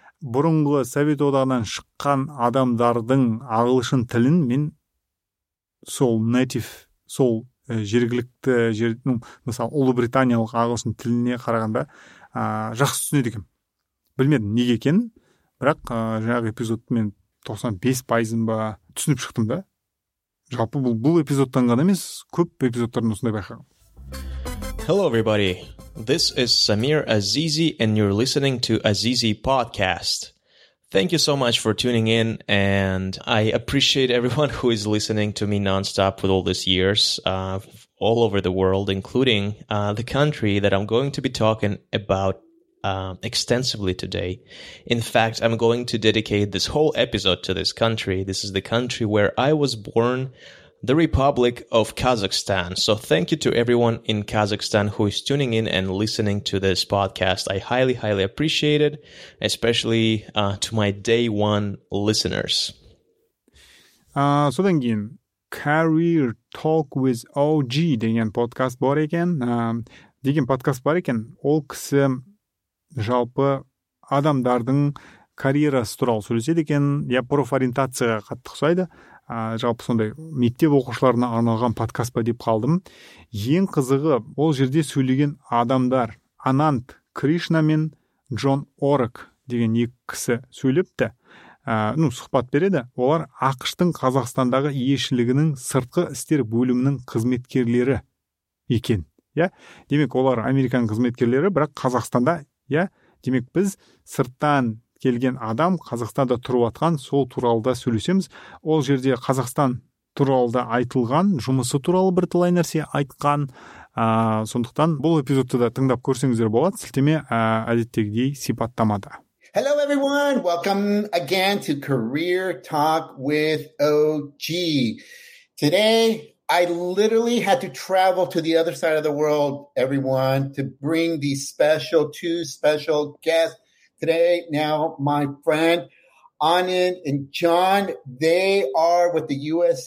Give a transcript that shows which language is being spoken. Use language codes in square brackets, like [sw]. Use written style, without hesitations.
[kk] Бұрынғы Совет одағынан шыққан адамдардың ағылшын тілін мен сол native, сол жергілікті жер, мысалы Ұлыбританиялық ағылшын тіліне қарағанда жақсы түсінеді екен. Білмедім неге екенін, бірақ жаңағы эпизодты мен 95% ба түсініп шықтым да. Жалпы бұл эпизодтан ғана емес, көп эпизодтардан осындай байқаған. [en] Hello everybody. This is Samir Azizi and you're listening to Azizi Podcast. Thank you so much for tuning in and I appreciate everyone who is listening to me nonstop with all these years all over the world, including the country that I'm going to be talking about extensively today. In fact, I'm going to dedicate this whole episode to this country. This is the country where I was born, the Republic of Kazakhstan. So thank you to everyone in Kazakhstan who is tuning in and listening to this podcast. I highly, highly appreciate it, especially to my day one listeners. So then again, [kk] Career Talk with OG, деген подкаст бар екен. Деген подкаст бар екен. Ол кісі жалпы адамдардың карьерасы туралы сөйлеседі екен. Я профориентацияға қатты ұқсайды. Жалпы сондай мектеп оқушыларына арналған подкаст па деп қалдым. Ең қызығы ол жерде сөйлеген адамдар Анант Кришна мен Джон Орек деген екі кісі сөйлепті. Сұхбат береді. Олар ақштың Қазақстандағы елшілігінің сыртқы істер бөлімінің қызметкерлері екен. Иә? Демек олар американ қызметкерлері, бірақ Қазақстанда, иә? Демек біз сырттан келген адам Қазақстанда тұрып атқан, сол туралы да сөйлесеміз. Ол жерде Қазақстан туралы да айтылған, жұмысы туралы бір талай нәрсе айтқан, Сондықтан бұл эпизодты да тыңдап көрсеңіздер болады. Сілтеме әдеттегідей сипаттамада. [en] Hello everyone. Welcome again to Career Talk with OG. Today I literally had to travel to the other side of the world, everyone, to bring these special two special guests. Today, now my friend Anand and John, they are with the U.S.